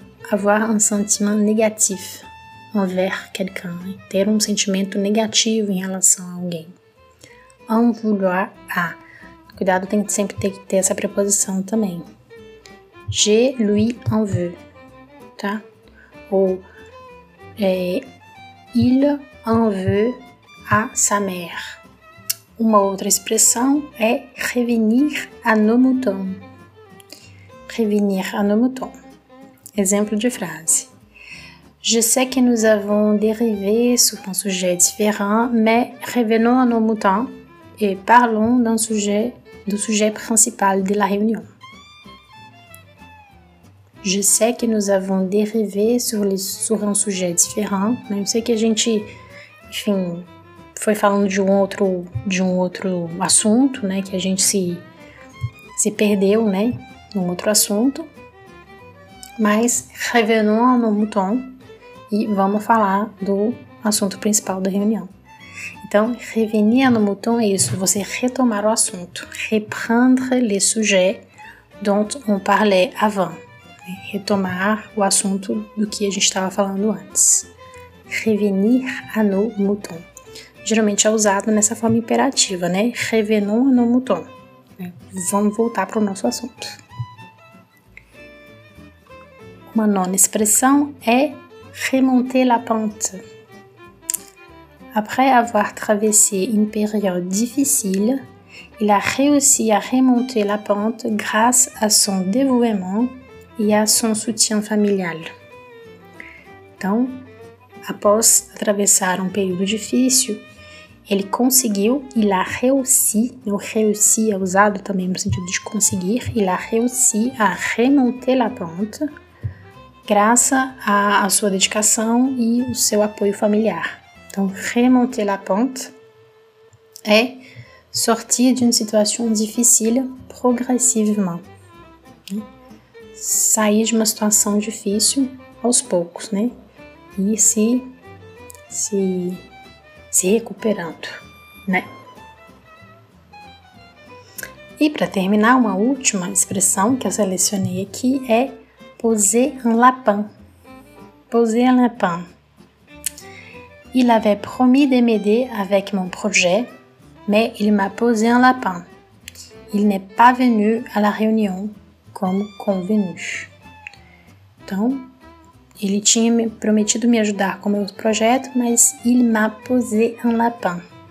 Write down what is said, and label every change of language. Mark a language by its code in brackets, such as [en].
[fr] Avoir un sentiment négatif envers quelqu'un, né? [pt] Ter um sentimento negativo em relação a alguém. [fr] En vouloir à. [pt] Cuidado, tem que sempre ter que ter essa preposição também. [fr] Je lui en veux, tá? Ou il en veut à sa mère. [pt] Uma outra expressão é [fr] revenir à nos moutons. Revenir à nos moutons. [pt] Exemplo de frase. [fr] Je sais que nous avons dérivé sur un sujet différent, mais revenons à nos moutons et parlons du sujet principal de la réunion. Je sais que nous avons dérivé sur un sujet différent, mais je sais que [pt] a gente, enfim, foi falando de um outro assunto, né, que a gente se perdeu, né, num outro assunto. [fr] Mas revenons à nos moutons. [pt] E vamos falar do assunto principal da reunião. Então, [fr] revenir à nos moutons [pt] é isso, você retomar o assunto. [fr] Reprendre le sujet dont on parlait avant. [pt] Retomar o assunto do que a gente estava falando antes. [fr] Revenir à nos moutons. [pt] Geralmente é usado nessa forma imperativa, né? [fr] Revenons à nos moutons. [pt] Vamos voltar para o nosso assunto. Uma nona expressão é [fr] remonter la pente. Après avoir traversé une période difficile, il a réussi à remonter la pente grâce à son dévouement et à son soutien familial. [pt] Então, após atravessar um período difícil, ele conseguiu, é usado também no sentido de conseguir, [fr] il a réussi à remonter la pente. [pt] Graças à sua dedicação e o seu apoio familiar. [fr] Então, remonter la pente é sortir d'une situation difficile progressivement. [pt] Sair de uma situação difícil aos poucos, né? E se recuperando, né? E para terminar, uma última expressão que eu selecionei aqui é [fr] poser un lapin. Poser un lapin. Il avait promis de m'aider avec mon projet, mais il m'a posé un lapin. Il n'est pas venu à la réunion comme convenu. [pt] Então, ele tinha prometido me ajudar com meu projeto, mas [fr] il m'a posé un lapin.